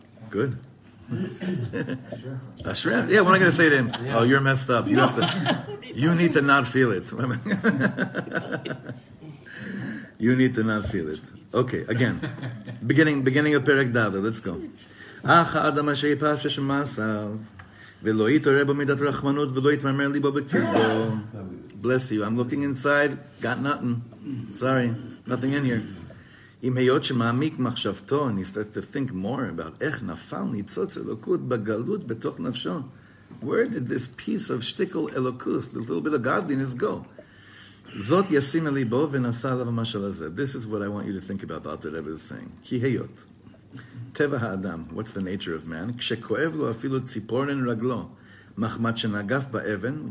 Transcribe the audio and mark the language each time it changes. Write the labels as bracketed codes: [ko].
[en] Good. Ashrei. Yeah, what am I going to say to him? Yeah. Oh, you're messed up. You have to. You need to not feel it. You need to not feel it. Okay. Again, beginning of Perek Dada. Let's go. [he] אך האדם אשר יפשע שמעשיו, ולא יתעורר בו מידת רחמנות, ולא יתמרמר ליבו בקרבו. [en] Bless you. I'm looking inside. Got nothing. Sorry. Nothing in here. [he] אם היות שמעמיק מחשבתו, [en] and he starts to think more about [he] איך נפל ניצוץ אלוקות בגלות בתוך נפשו. [en] Where did this piece of shtickle elokus, the little bit of godliness, go? [he] Zot yasim elibo v'nasa alav ha-mashal hazeh. [en] This is what I want you to think about, the Alter Rebbe is saying. [he] Ki heyot. Teva ha-adam. [en] What's the nature of man? [he] Kshekoev lo afilu tziporin raglo. Machmat shenagaf ba-even.